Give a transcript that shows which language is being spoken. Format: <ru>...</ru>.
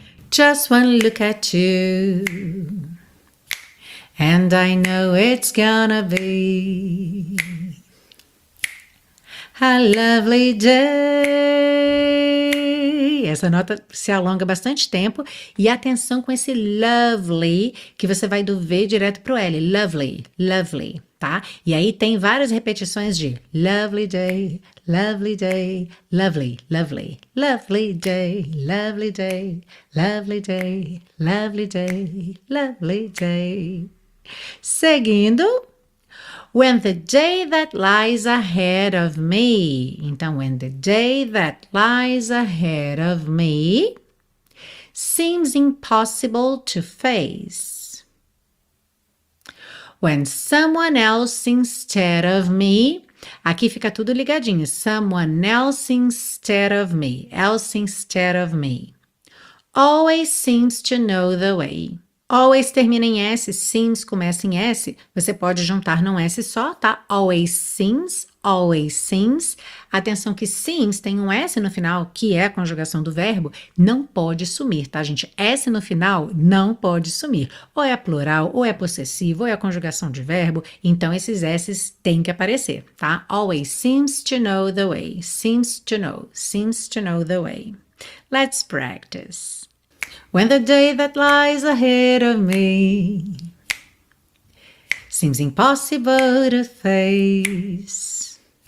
<en>Just one look at you, and I know it's gonna be a lovely day.</en> <pt>Essa nota se alonga bastante tempo. E atenção com esse lovely, que você vai do V direto pro L.</pt> <en>Lovely, lovely, tá?</en> <pt>E aí tem várias repetições de</pt> <en>lovely day, lovely day, lovely, lovely, lovely day, lovely day, lovely day, lovely day, lovely day.</en> <pt>Seguindo.</pt> <en>When the day that lies ahead of me.</en> <pt>Então,</pt> <en>when the day that lies ahead of me seems impossible to face. When someone else instead of me.</en> <pt>Aqui fica tudo ligadinho.</pt> <en>Someone else instead of me. Else instead of me. Always seems to know the way.</en> <pt>Always termina em S, seems começa em S, você pode juntar num S só, tá? Always seems, atenção que seems tem um S no final, que é a conjugação do verbo, não pode sumir, tá, gente? S no final não pode sumir, ou é plural, ou é possessivo, ou é a conjugação de verbo, então esses S têm que aparecer, tá?</pt> <en>Always seems to know the way, seems to know the way. Let's practice. When the day that lies ahead of me seems impossible to face.</en>